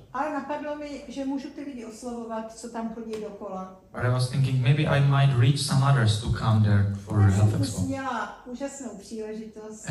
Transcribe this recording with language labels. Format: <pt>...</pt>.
<cs>Ale napadlo mi, že můžu ty lidi oslovovat, co tam chodí dokola.</cs> <en>But I was thinking, maybe I might reach some others to come there for a health expo.</en> <cs>Měla úžasnou příležitost.</cs>